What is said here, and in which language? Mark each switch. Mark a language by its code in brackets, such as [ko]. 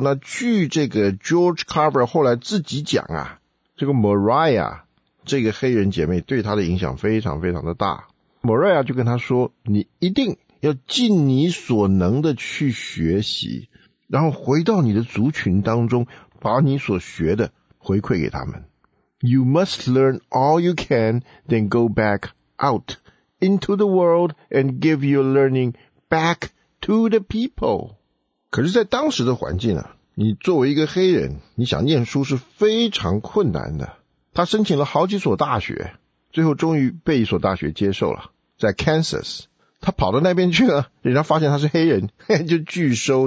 [zh] 那据这个 George Carver 后来自己讲啊，这个 Mariah 这个黑人姐妹对他的影响非常非常的大。 Mariah 就跟他说，你一定要尽你所能的去学习，然后回到你的族群当中，把你所学的回馈给他们。 [en] You must learn all you can, then go back out into the world and give your learning back to the people。 [zh] 可是在当时的环境啊，你作为一个黑人，你想念书是非常困难的。他申请了好几所大学，最后终于被一所大学接受了，在 Kansas。他跑到那边去了，人家发现他是黑人，就拒收。